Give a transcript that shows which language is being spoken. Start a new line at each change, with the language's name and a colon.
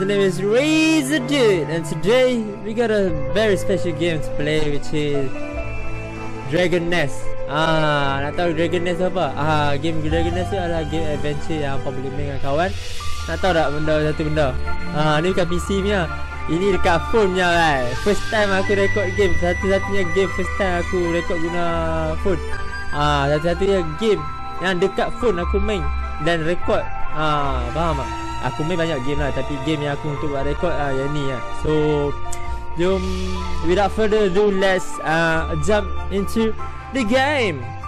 English: The name is RezZaDude, and today we got a very special game to play, which is Dragon Nest.
Malay: Nak tahu Dragon Nest apa? Game Dragon Nest tu adalah game adventure yang popular dengan kawan. Nak tahu tak benda satu benda? Ni dekat PC punya. Ini dekat phone punya kan. First time aku record game. Satu-satunya game first time aku record guna phone. Satu-satunya game yang dekat phone aku main dan record. Faham tak? Aku main banyak game lah, tapi game yang aku untuk buat record lah yang ni lah.
English: So, jom, without further ado, let's jump into the game.